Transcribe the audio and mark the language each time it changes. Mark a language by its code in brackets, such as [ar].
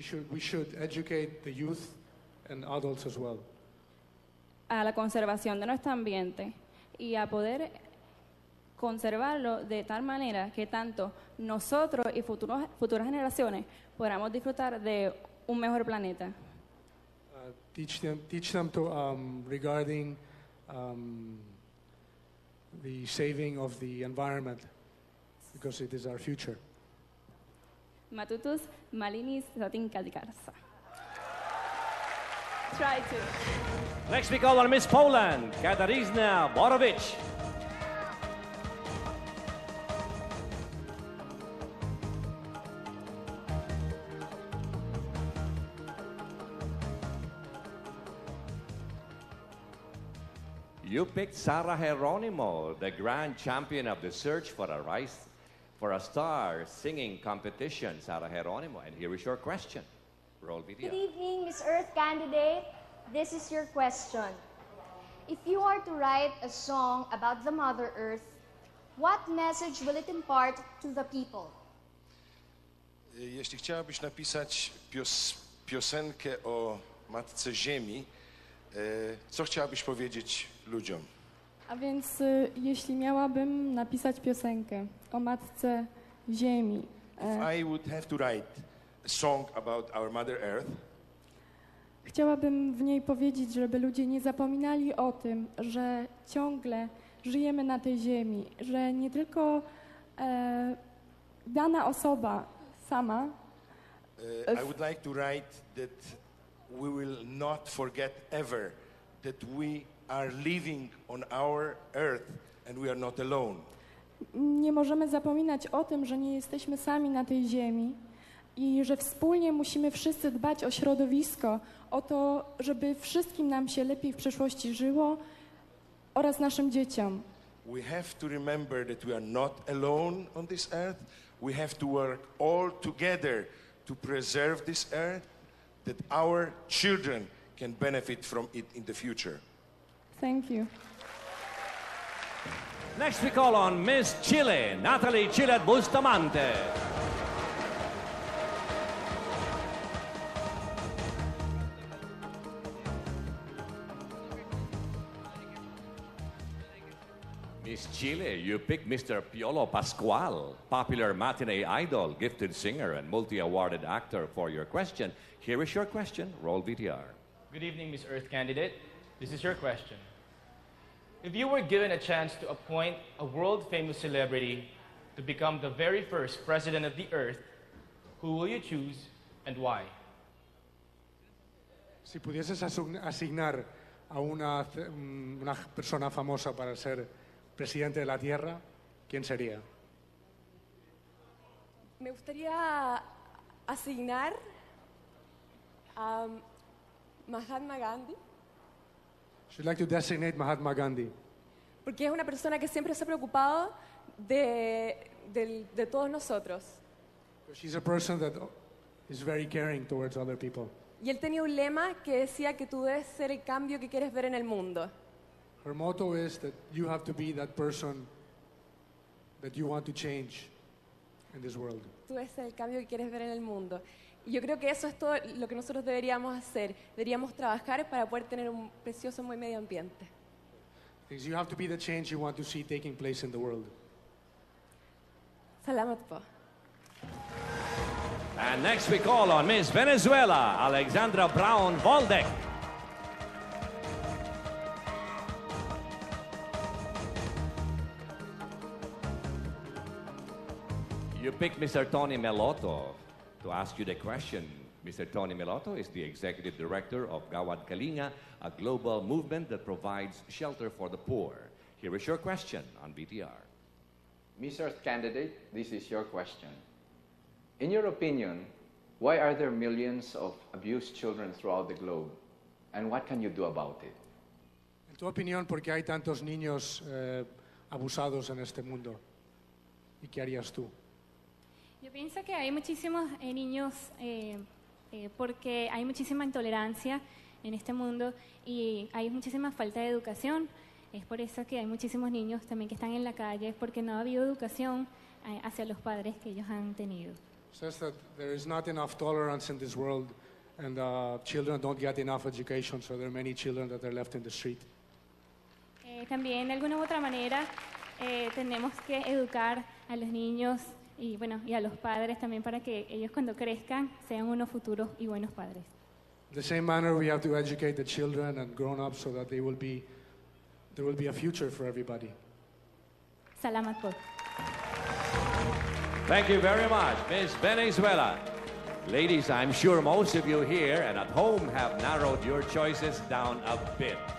[en] We should educate the youth and adults as well. [es] A la conservación de nuestro ambiente y a poder conservarlo de tal manera que tanto nosotros y futuras generaciones podamos disfrutar de un mejor planeta. [en] Teach them regarding the saving of the environment, because it is our future. Matutus malinis zatin kadikarsa. Try to. Next we call on Miss Poland, Katarzyna Borowicz. You picked Sara Geronimo, the grand champion of the search for a rise for a star singing competition. Sara Geronimo, and here is your question. Roll video. Good evening, Miss Earth candidate. This is your question. If you are to write a song about the Mother Earth, what message will it impart to the people? [pl] Jeśli chciałabyś napisać piosenkę o Matce Ziemi, co chciałabyś powiedzieć ludziom? A więc jeśli miałabym napisać piosenkę o Matce Ziemi. [en] I would have to write a song about our Mother Earth. [pl] Chciałabym w niej powiedzieć, żeby ludzie nie zapominali o tym, że ciągle żyjemy na tej ziemi, że nie tylko dana osoba sama. [en] I would like to write that we will not forget ever that we are living on our earth and we are not alone. [pl] Nie możemy zapominać o tym, że nie jesteśmy sami na tej ziemi i że wspólnie musimy wszyscy dbać o środowisko, o to, żeby wszystkim nam się lepiej w przyszłości żyło oraz naszym dzieciom. [en] We have to remember that we are not alone on this earth. We have to work all together to preserve this earth, that our children can benefit from it in the future. Thank you. Next we call on Miss Chile, Natalie Chile Bustamante. Miss Chile, you pick Mr. Piolo Pascual, popular matinee idol, gifted singer, and multi-awarded actor for your question. Here is your question. Roll VTR. Good evening, Miss Earth Candidate. This is your question. If you were given a chance to appoint a world-famous celebrity to become the very first president of the Earth, who will you choose and why? [es] Si pudieses asignar a una persona famosa para ser presidente de la Tierra, ¿quién sería? Me gustaría asignar a Mahatma Gandhi. [en] She'd like to designate Mahatma Gandhi. [es] Porque es una persona que siempre se ha preocupado de todos nosotros. [en] She's a person that is very caring towards other people. [es] Y él tenía un lema que decía que tú debes ser el cambio que quieres ver en el mundo. [en] Her motto is that you have to be that person that you want to change in this world. [es] Tú eres el cambio que quieres ver en el mundo. Y yo creo que eso es todo lo que nosotros deberíamos hacer. Deberíamos trabajar para poder tener un precioso medio ambiente. [en] Because you have to be the change you want to see taking place in the world. [tl] Salamat po. [en] And next we call on Miss Venezuela, Alexandra Braun Voldek. You pick Mr. Tony Melotto to ask you the question. Mr. Tony Melotto is the executive director of Gawad Kalinga, a global movement that provides shelter for the poor. Here is your question on VTR. Miss Earth Candidate, this is your question. In your opinion, why are there millions of abused children throughout the globe, and what can you do about it? [es] En tu opinión, ¿por qué hay tantos niños abusados en este mundo? ¿Y qué harías tú? Yo pienso que hay muchísimos niños porque hay muchísima intolerancia en este mundo y hay muchísima falta de educación. Es por eso que hay muchísimos niños también que están en la calle, porque no ha habido educación hacia los padres que ellos han tenido. [en] Says that there is not enough tolerance in this world and children don't get enough education, so there are many children that are left in the street. [es] También de alguna u otra manera tenemos que educar a los niños y bueno, y a los padres también, para que ellos cuando crezcan sean unos futuros y buenos padres. [en] The same manner we have to educate the children and grown ups so that they will be, there will be a future for everybody. [tl] Salamat po. [en] Thank you very much, Miss Venezuela. Ladies, I'm sure most of you here and at home have narrowed your choices down a bit.